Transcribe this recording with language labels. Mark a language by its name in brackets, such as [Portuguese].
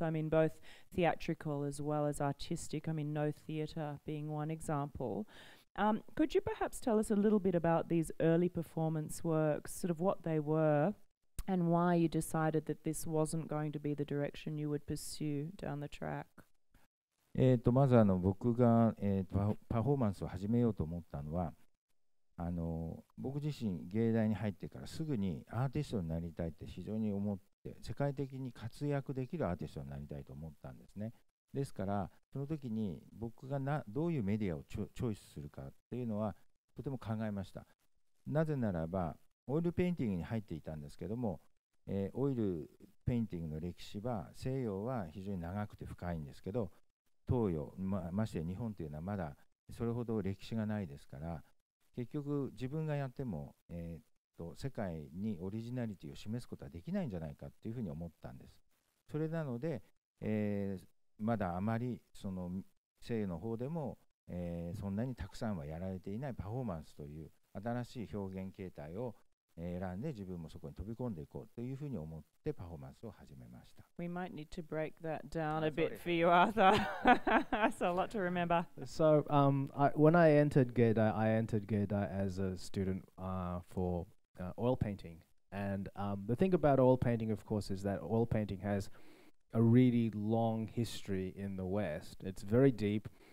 [English] I mean, both theatrical as well as artistic, I mean, no theatre being one example. Could you perhaps tell us a little bit about these early performance works, sort of what they were, and why you decided that this wasn't going to be the direction you would pursue down the track? [Japanese] まず僕が、パフォーマンスを始めようと思ったのは、僕自身芸大に入ってからすぐにアーティストになりたいって非常に思って、世界的に活躍できるアーティストになりたいと思ったんですね。ですから、その時に僕がどういうメディアをチョイスするかっていうのはとても考えました。なぜならば、オイルペインティングに入っていたんですけども、オイルペインティングの歴史は西洋は非常に長くて深いんですけど、東洋、まして日本というのはまだそれほど歴史がないですから、結局自分がやっても、世界にオリジナリティを示すことはできないんじゃないかというふうに思ったんです。それなので、まだあまりその西洋の方でも、そんなにたくさんはやられていないパフォーマンスという新しい表現形態を選んで自分もそこに飛び込んでいこうというふうに思ってパフォーマンスを始めました。 [English] We might need to break that down a bit for you, Arthur. That's a lot to remember. So, when I entered Geda, I entered Geda as a student for oil painting. And the thing about oil painting, of course, is that oil painting has a really long history in the West. It's very deep.